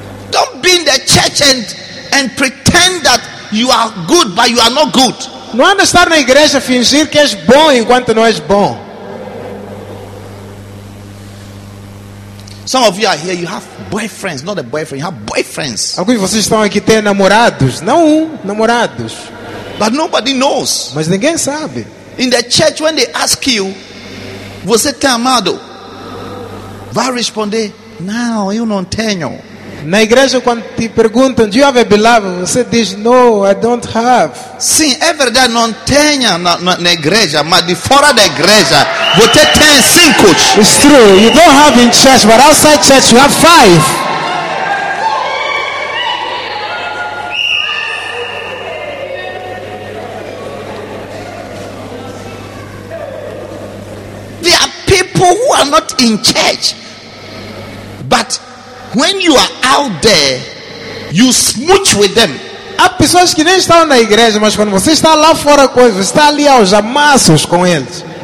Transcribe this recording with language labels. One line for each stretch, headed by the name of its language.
English: Don't be in the church and pretend that you are good but you are not good.
Portuguese: Não andes estar na igreja fingir que és bom enquanto não és bom.
English: Some of you are here, you have boyfriends, not a boyfriend, you have boyfriends.
Portuguese: Alguns de vocês estão aqui têm namorados, não namorados.
English: But nobody knows.
Portuguese: Mas ninguém sabe.
English: In the church when they ask you,
Portuguese: você tem amado? Vai responder, não, eu não tenho. Na igreja quando te perguntam,
English: do you have a beloved?
Portuguese: Você diz,
English: no, I don't have.
Portuguese: Sim, é verdade, não tenho na igreja, mas de fora da igreja, você tem cinco.
English: It's true, you don't have in church, but outside church you have five. There are people who are not in church, but when you are out there, you smooch with them.
Portuguese: Há pessoas que nem estão na igreja, mas quando você está lá fora com eles, está ali aos amassos com eles.